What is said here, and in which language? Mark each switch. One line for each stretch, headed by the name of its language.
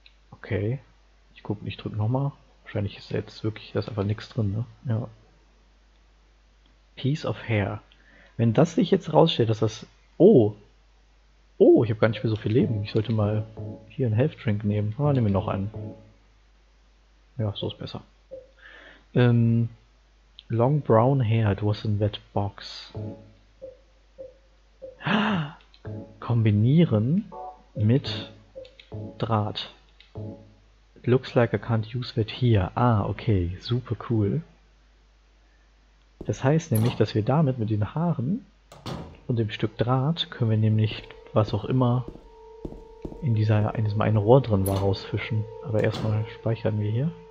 German: Okay. Ich guck, ich drück nochmal. Wahrscheinlich ist da jetzt wirklich, da ist einfach nichts drin, ne? Ja.
English: Piece of hair.
German: Wenn das sich jetzt rausstellt, dass das. Oh! Oh, ich habe gar nicht mehr so viel Leben. Ich sollte mal hier einen Health Drink nehmen. Ah, nehmen wir noch einen. Ja, so ist besser.
English: Long brown hair, it was in that box.
German: Kombinieren mit Draht.
English: It looks like I can't use that here.
German: Ah, okay, super cool. Das heißt nämlich, dass wir damit mit den Haaren und dem Stück Draht können wir nämlich was auch immer in diesem einen Rohr drin war rausfischen. Aber erstmal speichern wir hier.